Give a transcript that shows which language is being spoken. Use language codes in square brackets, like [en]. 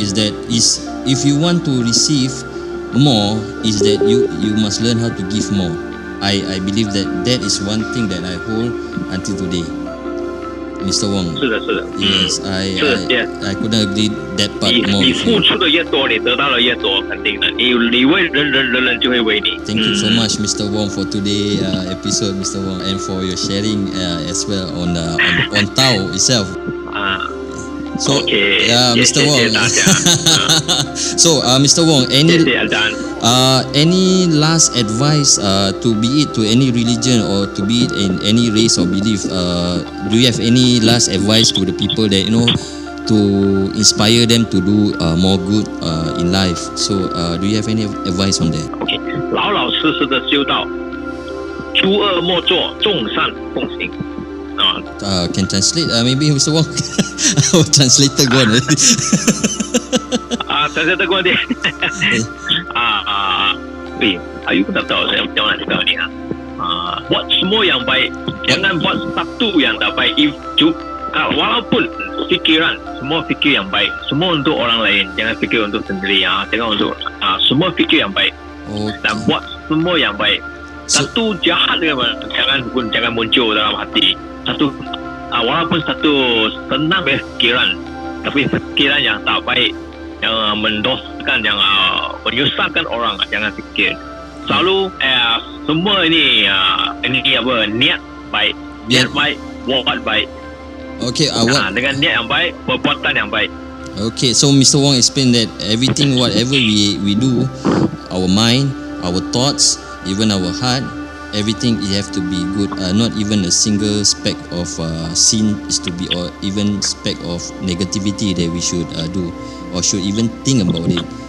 [en] Is that is if you want to receive more, is that you must learn how to give more. I believe that is one thing that I hold until today, Mr. Wong. [zh] 是的。 [en] Yes, I couldn't agree that part more. [zh] 你付出的越多，你得到的越多，肯定的。你为人人人人就会为你。 [en] Thank you so much, Mr. Wong, for today episode, Mr. Wong, and for your sharing as well on Tao itself. So, okay. Mr. Wong. So, Mr. Wong, any last advice to be it to any religion or to be it in any race or belief? Do you have any last advice to the people that you know to inspire them to do more good in life? So, do you have any advice on that? [zh] Okay, 老老实实的修道，诸恶莫作，众善奉行。 [en] Can translate? Maybe Mr. Wong, our translator go on. Translator go on. Are you gonna tell us? I'm gonna tell you. [ms] Buat semua yang baik, jangan buat satu yang tak baik. If juga, walaupun fikiran semua fikir yang baik, semua untuk orang lain, jangan fikir untuk sendiri. Jangan untuk semua fikir yang baik. [en] Okay. [ms] Dan buat semua yang baik. Satu jahat jangan muncul dalam hati. Satu, walaupun satu senang berfikiran, tapi fikiran yang tak baik, yang mendosakan, yang menyusahkan orang, jangan fikir. Selalu semua niat baik, niat baik, buat baik. [en] Okay, [ms] dengan niat yang baik, perbuatan yang baik. [en] Okay, so Mr. Wong explained that everything, whatever we do, our mind, our thoughts, even our heart. Everything it have to be good. Not even a single speck of sin is to be, or even speck of negativity that we should do, or should even think about it.